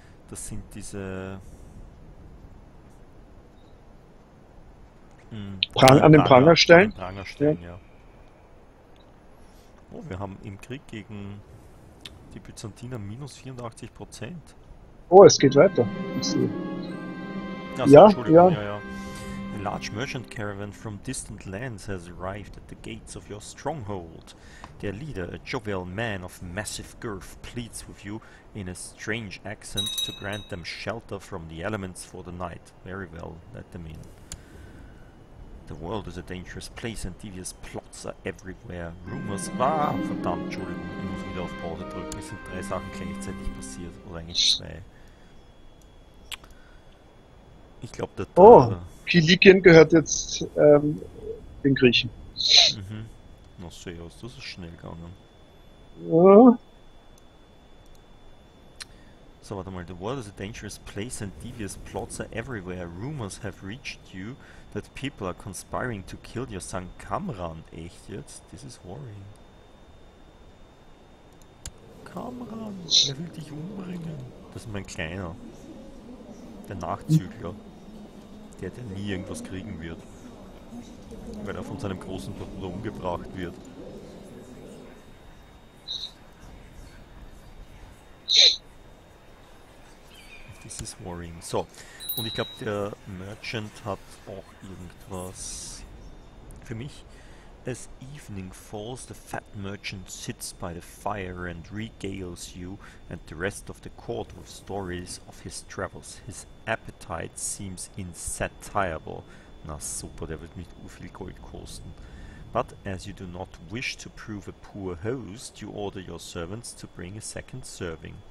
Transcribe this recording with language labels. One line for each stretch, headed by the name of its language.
German: Das sind diese. An den Pranger stellen? An den Pranger stellen, ja. Oh, wir haben im Krieg gegen die Byzantiner minus 84%. Oh, es geht weiter. Ich sehe. Also, ja, Entschuldigung.
English: A large merchant caravan from distant lands has arrived at the gates of your stronghold. Their leader, a jovial man of massive girth, pleads with you in a strange accent to grant them shelter from the elements for the night. Very well, let them in. The world is a dangerous place and devious plots are everywhere. Rumors.
German: Ah, verdammt, Entschuldigung, ich muss wieder auf Pause drücken. Es sind drei Sachen gleichzeitig passiert, oder eigentlich zwei. Ich glaube, der. Oh! Kilikien gehört jetzt den Griechen. Na, sehr aus, das ist schnell gegangen. Ja. So, warte mal.
English: The world is a dangerous place and devious plots are everywhere. Rumors have reached you that people are conspiring to kill your son Kamran.
German: Echt jetzt?
English: This is worrying.
German: Kamran, wer will dich umbringen? Das ist mein Kleiner. Der Nachzügler. Der nie irgendwas kriegen wird. Weil er von seinem großen Bruder umgebracht wird.
English: This is worrying.
German: So, und ich glaube, der Merchant hat auch irgendwas für mich.
English: As evening falls, the fat merchant sits by the fire and regales you and the rest of the court with stories of his travels. His appetite seems insatiable.
German: Na super, der wird mit viel Gold kosten.
English: But as you do not wish to prove a poor host, you order your servants to bring a second serving.